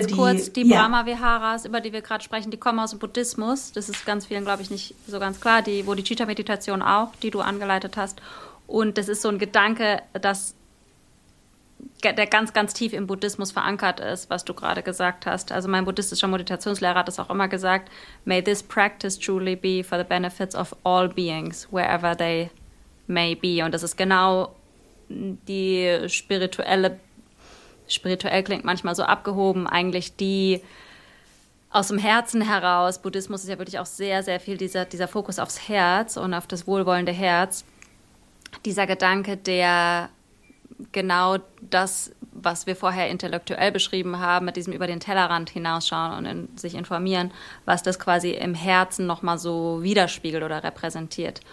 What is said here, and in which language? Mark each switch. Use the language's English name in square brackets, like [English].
[German] Ganz kurz, die Brahma-Viharas, über die wir gerade sprechen, die kommen aus dem Buddhismus. Das ist ganz vielen, glaube ich, nicht so ganz klar. Die Bodhicitta-Meditation auch, die du angeleitet hast. Und das ist so ein Gedanke, der ganz, ganz tief im Buddhismus verankert ist, was du gerade gesagt hast. Also mein buddhistischer Meditationslehrer hat das auch immer gesagt. [English] May this practice truly be for the benefits of all beings, wherever they may be. [German] Und das ist genau die spirituell klingt manchmal so abgehoben, eigentlich die aus dem Herzen heraus, Buddhismus ist ja wirklich auch sehr, sehr viel dieser Fokus aufs Herz und auf das wohlwollende Herz, dieser Gedanke, der genau das, was wir vorher intellektuell beschrieben haben, mit diesem über den Tellerrand hinausschauen und sich informieren, was das quasi im Herzen nochmal so widerspiegelt oder repräsentiert.